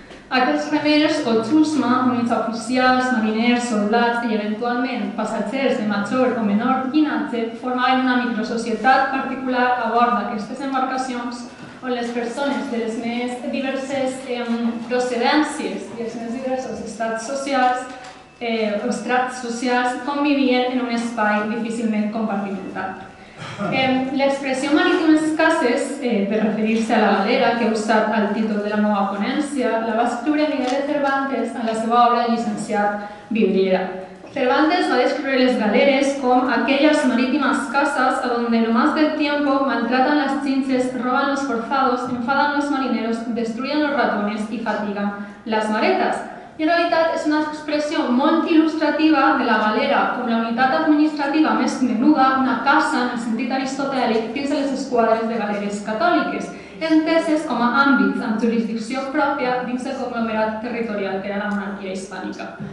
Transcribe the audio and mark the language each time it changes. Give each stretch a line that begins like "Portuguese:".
Catalan: Aquests remers o xusma, units oficials, mariners, soldats i eventualment passatgers de major o menor llinatge, formaven una microsocietat particular a bord d'aquestes embarcacions on les persones de les més diverses procedències i els més diversos estats socials, estrats socials, convivien en un espai difícilment compartimentat. L'expressió marítimes cases, per referir-se a la galera que he usat al títol de la meva ponència, la va escriure Miguel de Cervantes en la seva obra llicenciat Vidriera. Cervantes va descriure les galeres com aquelles marítimes cases
Spanish: a donde lo más del tiempo maltratan las chinches, roban los forzados, enfadan los marineros, destruyen los ratones y fatigan las maletas.
Catalan: I en realitat és una expressió molt il·lustrativa de la galera com la unitat administrativa més menuda, una casa en el sentit aristotèlic dins de les esquadres de galeres catòliques, enteses com a àmbits amb jurisdicció pròpia dins del conglomerat territorial que era la monarquia hispànica.